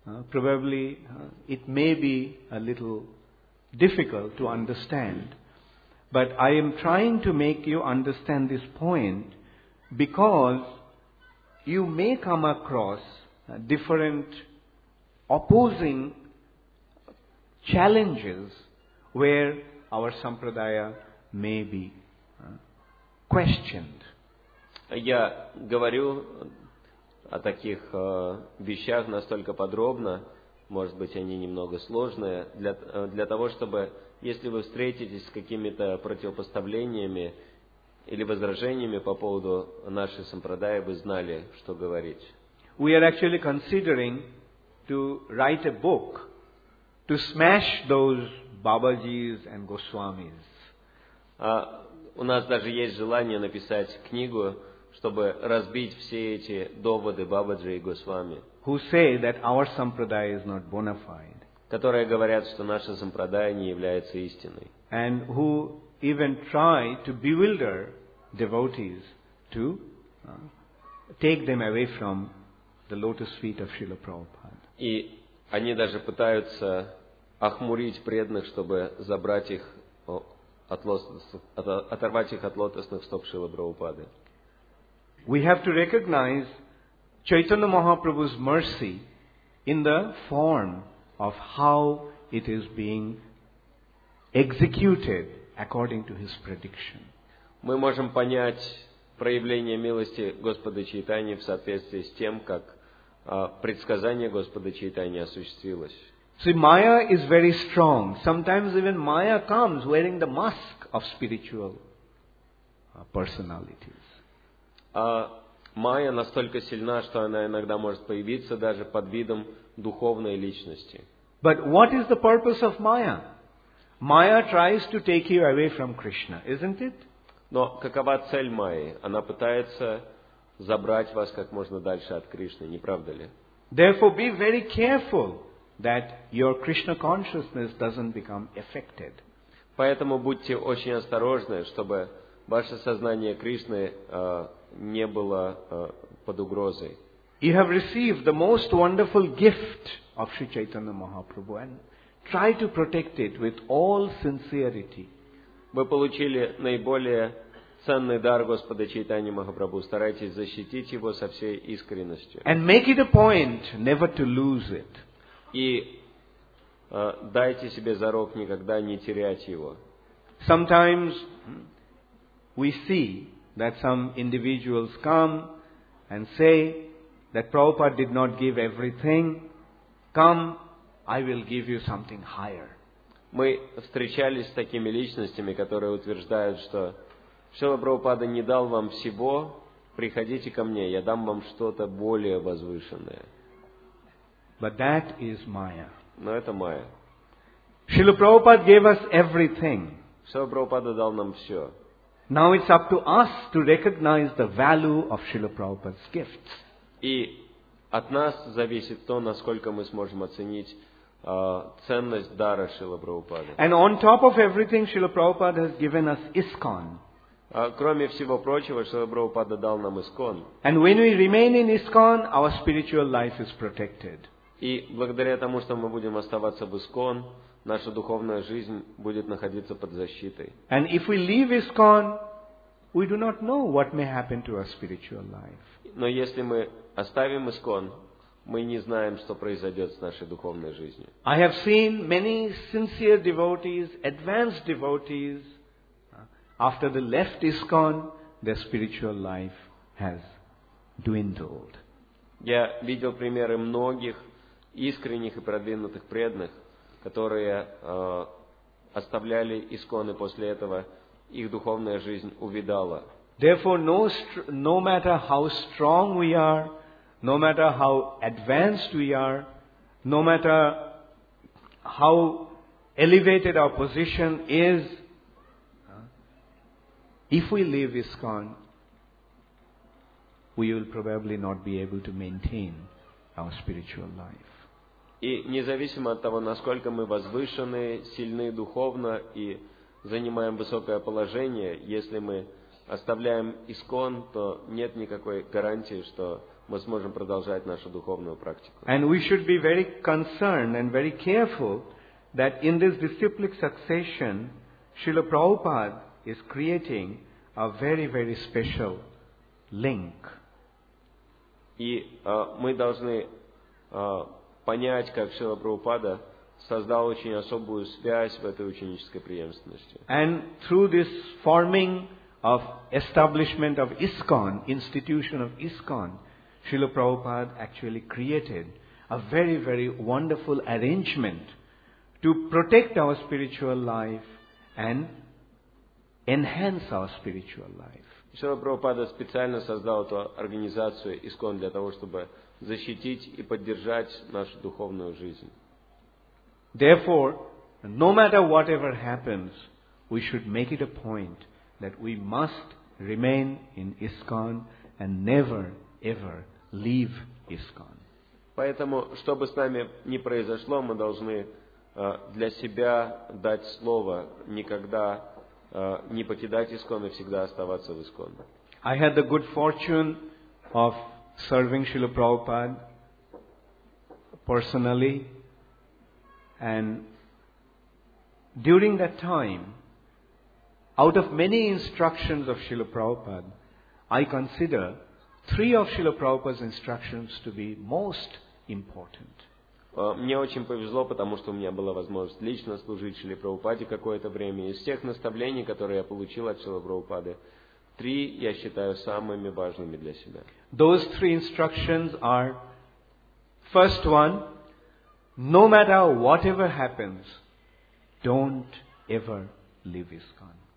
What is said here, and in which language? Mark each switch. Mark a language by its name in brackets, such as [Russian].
[English] Probably it may be a little difficult to understand, but I am trying to make you understand this point. Because you may come across different opposing challenges where our sampradaya may be questioned. [Russian] Я говорю о таких вещах настолько подробно, может быть, они немного сложные, для того, чтобы, если вы встретитесь с какими-то противопоставлениями, или возражениями по поводу нашей сампрадаи, вы знали, что говорить. [English] We are actually considering to write a book to smash those Babaji's and Goswami's. [Russian] У нас даже есть желание написать книгу, чтобы разбить все эти доводы Бабаджи и Госвами. [English] Who say that our sampradaya is not bona fide. [Russian] Которые говорят, что наша сампрадая не является истиной. [English] And who even try to bewilder devotees to take them away from the lotus feet of Srila Prabhupada. [Russian] И они даже пытаются охмурить преданных, чтобы забрать их оторвать их от лотосных стоп Шрилы Прабхупады. [English] We have to recognize Chaitanya Mahaprabhu's mercy in the form of how it is being executed according to his prediction. [Russian] Мы можем понять проявление милости Господа Чайтаньи в соответствии с тем, как предсказание Господа Чайтаньи осуществилось. [English] See, Maya is very strong. Sometimes even Maya comes wearing the mask of spiritual personalities. [Russian] Maya настолько сильна, что она иногда может появиться даже под видом духовной личности. [English] But what is the purpose of Maya? Maya tries to take you away from Krishna, isn't it? [Russian] Но какова цель Майи? Она пытается забрать вас как можно дальше от Кришны, не правда ли? [English] Therefore, be very careful that your Krishna consciousness doesn't become affected. [Russian] Поэтому будьте очень осторожны, чтобы ваше сознание Кришны не было под угрозой. [English] You have received the most wonderful gift of Sri Chaitanya Mahaprabhu and try to protect it with all sincerity. [Russian] Вы получили наиболее ценный дар Господа Чайтанья Махапрабху. Старайтесь защитить его со всей искренностью. [English] And make it a point never to lose it. [Russian] И дайте себе зарок никогда не терять его. [English] Sometimes we see that some individuals come and say that Prabhupada did not give everything. Come, I will give you something higher. [Russian] Мы встречались с такими личностями, которые утверждают, что Шрила Прабхупада не дал вам всего, приходите ко мне, я дам вам что-то более возвышенное. [English] But that is Maya. [Russian] Но это Майя. [English] Шрила Прабхупада gave us everything. [Russian] Шрила Прабхупада дал нам все. [English] Now it's up to us to recognize the value of Шрила Прабхупада's gifts. [Russian] И от нас зависит то, насколько мы сможем оценить ценность дара Шрила Прабхупады. [English] And on top of everything, Шрила Прабхупада has given us ISKCON. [Russian] Кроме всего прочего, Шрила Прабхупада дал нам ИСКОН. [English] And when we remain in ISKCON, our spiritual life is protected. [Russian] И благодаря тому, что мы будем оставаться в ИСКОН, наша духовная жизнь будет находиться под защитой. [English] And if we leave ISKCON, we do not know what may happen to our spiritual life. [Russian] Но если мы оставим ИСКОН, мы не знаем, что произойдет с нашей духовной жизнью. [English] I have seen many sincere devotees, advanced devotees, after they left ISKCON, their spiritual life has dwindled. [Russian] Я видел примеры многих искренних и продвинутых преданных, которые оставляли ИСКОН, и после этого их духовная жизнь увидала. [English] Therefore, no matter how strong we are, no matter how advanced we are, no matter how elevated our position is, if we leave ISKCON, we will probably not be able to maintain our spiritual life. [Russian] И независимо от того, насколько мы возвышены, сильны духовно и занимаем высокое положение, если мы оставляем ИСКОН, то нет никакой гарантии, что мы сможем продолжать нашу духовную практику. [English] And we should be very concerned and very careful that in this disciplic succession, Srila Prabhupada is creating a very, very special link. [Russian] И мы должны понять, как Шрила Прабхупада создал очень особую связь в этой ученической преемственности. [English] And through this forming of establishment of ISKCON, institution of ISKCON, Srila Prabhupada actually created a very, very wonderful arrangement to protect our spiritual life and enhance our spiritual life. [Russian] Шрила Прабхупада специально создал эту организацию ИСКОН для того, чтобы защитить и поддержать нашу духовную жизнь. [English] Therefore, no matter whatever happens, we should make it a point that we must remain in ISKCON and never ever leave ISKCON. [Russian] Поэтому, что бы с нами ни произошло, мы должны для себя дать слово никогда не покидать ИСКОН и всегда оставаться в ИСКОН. [English] I had the good fortune of serving Srila Prabhupada personally, and during that time, out of many instructions of Srila Prabhupada, I consider three of Srila Prabhupada's instructions to be most important. [Russian] Мне очень повезло, потому что у меня была возможность лично служить Шриле Прабхупаде какое-то время. Из тех наставлений, которые я получил от Шрилы Прабхупады, три я считаю самыми важными для себя. [English] Those three instructions are, first one, no matter whatever happens, don't ever leave ISKCON.